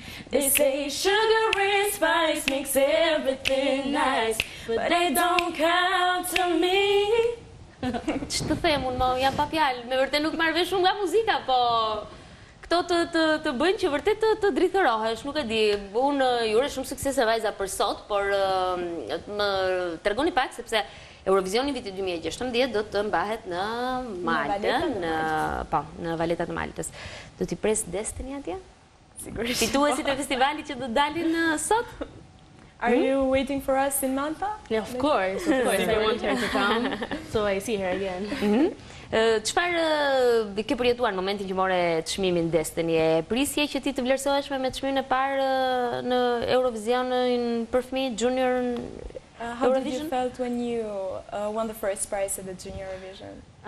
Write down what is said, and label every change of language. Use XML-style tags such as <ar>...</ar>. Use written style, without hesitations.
<en>They say sugar and spice makes everything nice, but they don't count to me.</en> <sq>Që të them unë, jam pa fjalë. Me vërtet nuk marr vesh shumë nga muzika, po këto të bëjnë që vërtet të dritërohesh, nuk e di. Unë ju uroj shumë suksese vajza për sot, por më tregoni pak sepse Eurovisioni vitit 2016 do të mbahet në Maltë, në Valeta të Maltës. Do t'i pres Destiny atje? Sigurisht. Fituesit e festivalit që do dalin sot?</sq> <en>Are you waiting for us in Malta? Yeah, of course. Of course. I want her to come so I see her again.</en> <sq>Çfarë ke përjetuar në momentin që more çmimin Destiny? E prisje që ti të vlerësohesh me çmimin e parë në Eurovisionin për fëmijë junior?</sq> <en>How did you felt when you won the first prize at the Junior Eurovision?</en>